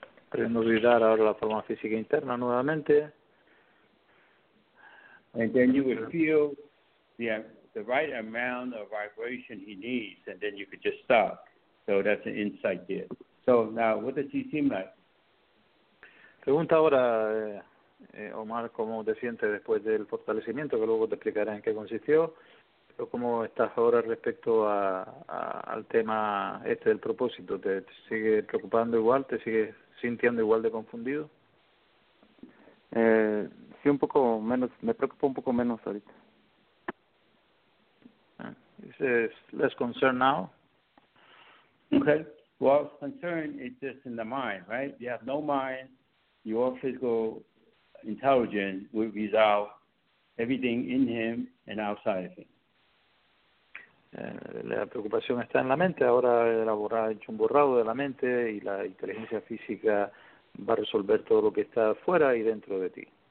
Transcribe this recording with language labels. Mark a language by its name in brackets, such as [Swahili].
[Spanish] Renovar ahora la forma física interna nuevamente. [English] And then you would feel the right amount of vibration he needs, and then you could just stop. So that's an insight there. So now, what does he seem like? [Spanish] Pregunta ahora, Omar, ¿cómo te sientes después del fortalecimiento? Que luego te explicaré en qué consistió. ¿Cómo estás ahora respecto al tema este del propósito? ¿Te sigue preocupando igual? ¿Te sigue sintiendo igual de confundido? Sí, un poco menos. Me preocupo un poco menos ahorita. [English] This is less concern now. Okay. Well, concern is just in the mind, right? You have no mind. Your physical intelligence will resolve everything in him and outside of him. [Spanish] La preocupación está en la mente, ahora ha hecho un borrado de la mente y la inteligencia física va a resolver todo lo que está fuera y dentro de ti.